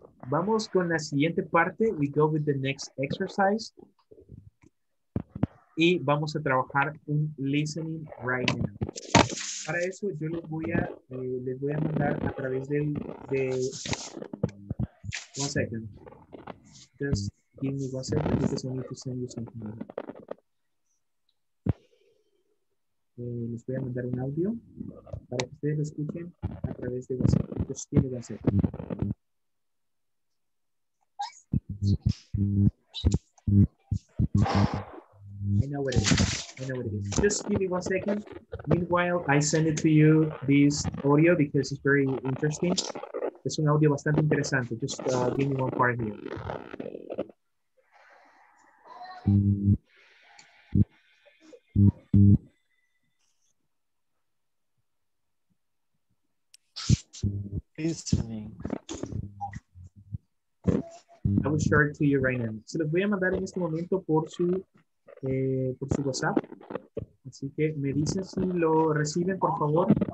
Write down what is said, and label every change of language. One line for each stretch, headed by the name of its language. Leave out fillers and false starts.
Spanish: Vamos con la siguiente parte.
English: We go with the next exercise.
Spanish: Y vamos a trabajar un listening
English: right now.
Spanish: Para eso yo les voy a mandar a través de
English: 1 second. Just give me 1 second because I need to send you something.
Spanish: Les voy a mandar un audio para que ustedes lo escuchen a través de WhatsApp.
English: Just give me 1 second. I know what it is. Just give me 1 second. Meanwhile, I send it to you this audio because it's very interesting.
Spanish: Es un audio bastante interesante.
English: Just give me one part here. Listening. I will share it to you right now.
Spanish: Se los voy a mandar en este momento por su WhatsApp. Así que me dicen si lo reciben, por favor.